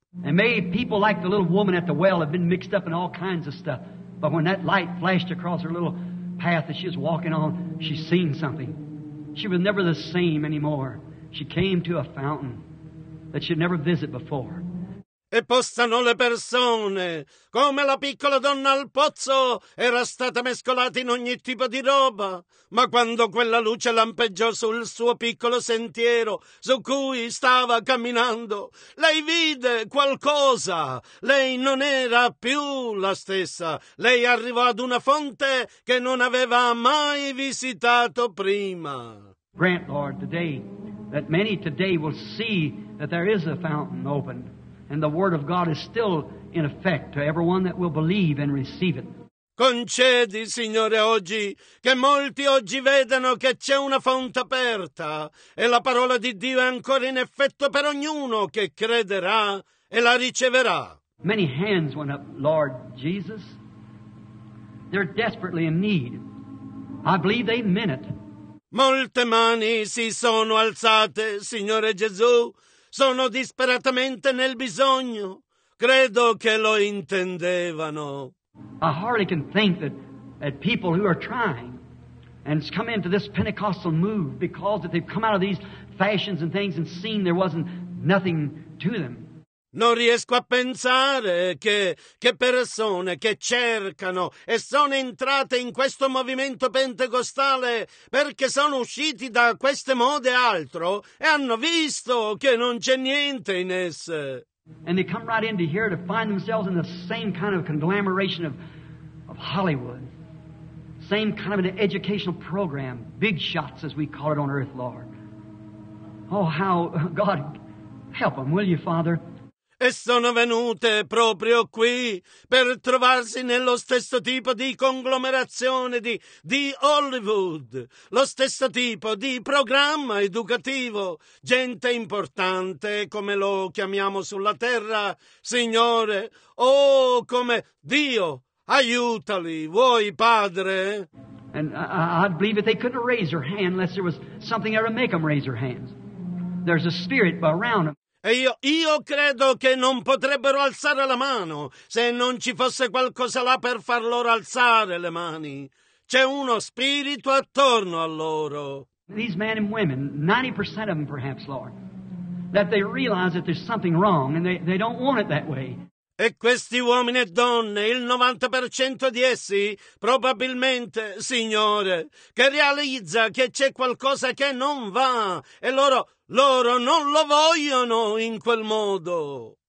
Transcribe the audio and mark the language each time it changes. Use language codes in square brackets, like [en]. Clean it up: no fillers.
[en] And may people like the little woman at the well have been mixed up in all kinds of stuff, but when that light flashed across her little path that she was walking on, she seen something. She was never the same anymore. She came to a fountain that she had never visited before. [it] E possano le persone, come la piccola donna al pozzo, era stata mescolata in ogni tipo di roba, ma quando quella luce lampeggiò sul suo piccolo sentiero su cui stava camminando, lei vide qualcosa. Lei non era più la stessa. Lei arrivò ad una fonte che non aveva mai visitato prima. [en] Grant, Lord, today, that many today will see that there is a fountain opened. And the word of God is still in effect to everyone that will believe and receive it. [it] Concedi, Signore, oggi, che molti oggi vedano che c'è una fonte aperta e la parola di Dio è ancora in effetto per ognuno che crederà e la riceverà. [en] Many hands went up, Lord Jesus. They're desperately in need. I believe they meant it. [it] Molte mani si sono alzate, Signore Gesù. Sono disperatamente nel bisogno. Credo che lo intendevano. [en] I hardly can think that people who are trying and come into this Pentecostal move because that they've come out of these fashions and things and seen there wasn't nothing to them. [it] Non riesco a pensare che persone che cercano e sono entrate in questo movimento pentecostale perché sono usciti da queste mode altro e hanno visto che non c'è niente in esse. [en] And they come right into here to find themselves in the same kind of conglomeration of Hollywood. Same kind of an educational program, big shots as we call it on earth, Lord. Oh, how God help them, will you, Father? [it] E sono venute proprio qui per trovarsi nello stesso tipo di conglomerazione di Hollywood, lo stesso tipo di programma educativo. Gente importante, come lo chiamiamo sulla terra, Signore, oh, come Dio, aiutali, vuoi, Padre? [en] And I believe that they couldn't raise their hand unless there was something there to make them raise their hands. There's a spirit around them. [it] E io credo che non potrebbero alzare la mano se non ci fosse qualcosa là per far loro alzare le mani. C'è uno spirito attorno a loro. [en] These men and women, 90% of them perhaps, Lord, that they realize that there's something wrong and they don't want it that way. [it] E questi uomini e donne, il 90% di essi, probabilmente, Signore, che realizza che c'è qualcosa che non va e loro non lo vogliono in quel modo.